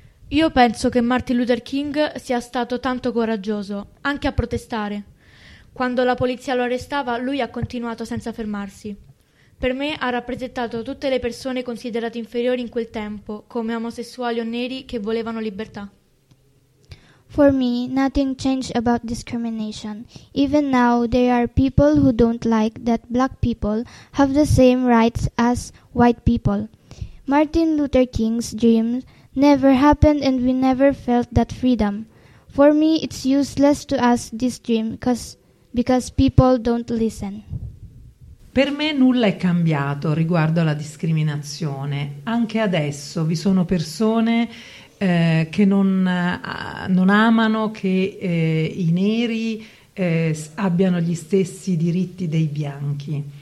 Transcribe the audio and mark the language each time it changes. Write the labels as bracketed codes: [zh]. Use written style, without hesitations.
[it] Io penso che Martin Luther King sia stato tanto coraggioso, anche a protestare. Quando la polizia lo arrestava, lui ha continuato senza fermarsi. Per me ha rappresentato tutte le persone considerate inferiori in quel tempo, come omosessuali o neri che volevano libertà. [en] For me, nothing changed about discrimination. Even now, there are people who don't like that black people have the same rights as white people. Martin Luther King's dream never happened and we never felt that freedom. For me, it's useless to ask this dream because people don't listen. [it] Per me nulla è cambiato riguardo alla discriminazione. Anche adesso vi sono persone che non amano che i neri abbiano gli stessi diritti dei bianchi.